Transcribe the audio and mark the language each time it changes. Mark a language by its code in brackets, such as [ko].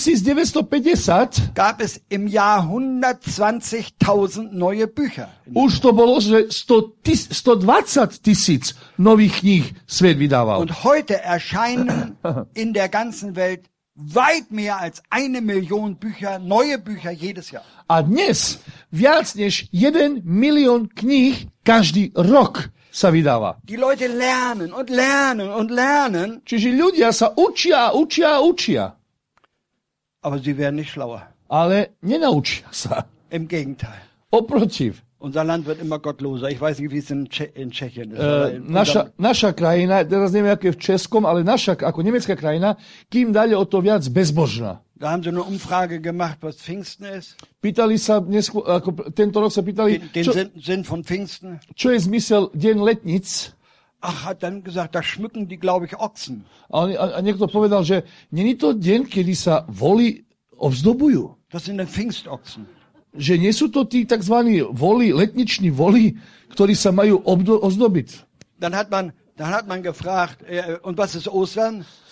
[de] 1950 gab es im Jahr 120.000 neue Bücher. [sk] Už to bolo, že 120 tisíc nových kníh svet vydával. [de] Und heute erscheinen in der ganzen Welt weit mehr als 1 Million Bücher, neue Bücher jedes Jahr. [sk] A dnes viac než 1 milión kníh každý rok sa vydáva. [de] Die Leute lernen und lernen und lernen. [sk] Čiže ľudia sa učia, učia, učia. [de] Aber sie werden nicht schlauer. [sk] Ale nenaučia sa. [de] Im Gegenteil. [sk] Oprotiv. [de] Unser Land wird immer gottloser. Ich weiß nicht, wie es in Tschechien ist. [sk] Naša krajina, teraz neviem, ako je v Českom, ale naša, ako nemecká krajina, kým ďalej o to viac bezbožná. [de] Da haben sie eine Umfrage gemacht, was Pfingsten ist. [sk] Pýtali sa, ako tento rok sa pýtali, [de] den Sinn von Pfingsten. [sk] Čo je zmysel deň letnic? [de] Ach, hat dann gesagt, da schmücken die, glaube ich, Ochsen. [sk] A niekto povedal, že není to deň, kedy sa voli obzdobujú. [de] Das sind die Pfingstochsen. [sk] Že nie sú to tí tzv. Voli, letniční voli, ktorí sa majú ozdobiť. [de] Dann hat man gefragt, und was ist Ostern?